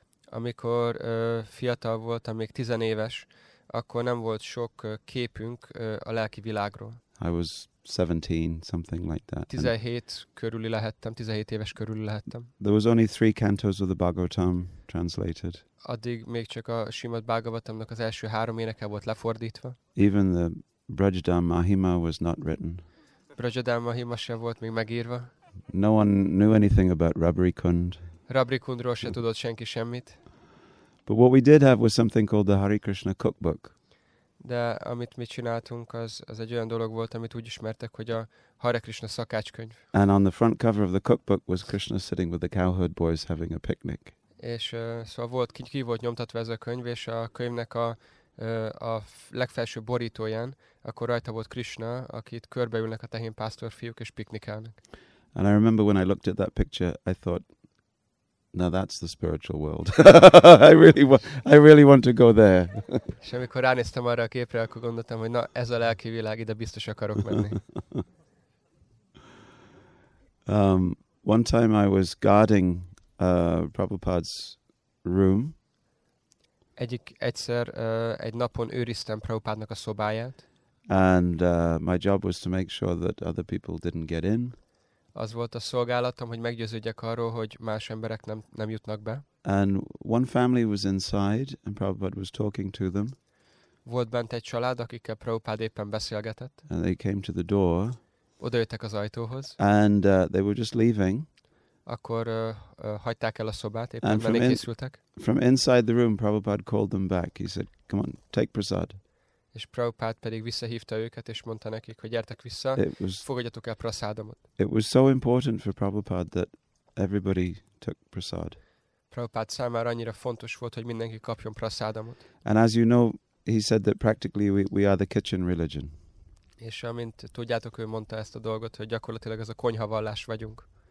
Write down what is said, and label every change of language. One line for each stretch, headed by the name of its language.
Hungarian: Amikor fiatal voltam, még tizenéves, akkor nem volt sok képünk a lelki világról.
English: I was 17, something like that.
Hungarian: 17 körüli lehettem, 17 éves körüli lehettem.
English: There was only 3 cantos of the Bhagavatam translated.
Hungarian: Addig még csak a Srimad Bhagavatamnak az első 3 éneke volt lefordítva.
English: Even the Brajadam Mahima was not written.
Hungarian: Brajadam Mahima sem volt még megírva.
English: No one knew anything about Rabri Kund.
Hungarian: Rabri Kundról se tudott senki semmit.
English: But what we did have was something called the Hare Krishna cookbook.
Hungarian: De amit mi csináltunk, az egy olyan dolog volt, amit úgy ismertek, hogy a Hare Krishna szakácskönyv.
English: And on the front cover of the cookbook was Krishna sitting with the cowherd boys having a picnic.
Hungarian: És szóval volt, ki volt nyomtatva ez a könyv, és a könyvnek a legfelső borítóján, akkor rajta volt Krishna, akit körbeülnek a tehén pásztor fiúk és piknikálnak.
English: And I remember when I looked at that picture, I thought, now that's the spiritual world. I really want to go there.
Hungarian: És amikor ránéztem arra a képre, akkor gondoltam, hogy na, ez a lelki világ, ide biztos akarok menni.
English: One time I was guarding Prabhupada's room.
Hungarian: Egyszer egy napon őriztem Prabhupádnak a szobáját.
English: And my job was to make sure that other people didn't get in.
Hungarian: Az volt a szolgálatom, hogy meggyőződjek arról, hogy más emberek nem jutnak be.
English: And one family was inside and Prabhupada was talking to them.
Hungarian: Volt bent egy család, akikkel Prabhupád éppen beszélgetett.
English: And they came to the door.
Hungarian: Odajöttek az ajtóhoz.
English: And they were just leaving.
Hungarian: Akkor hagyták el a szobát, éppen menni készültek.
English: From inside the room, Prabhupada called them back. He said, come on, take prasad.
Hungarian: És Prabhupada pedig visszahívta őket, és mondta nekik, hogy gyertek vissza, fogadjatok el prasadamot.
English: It was so important for Prabhupada that everybody took prasad.
Hungarian: Prabhupada számára annyira fontos volt, hogy mindenki kapjon prasadamot.
English: And as you know, he said that practically we are the kitchen religion.
Hungarian: És amint tudjátok, ő mondta ezt a dolgot, hogy gyakorlatilag ez a konyhavallás vagyunk.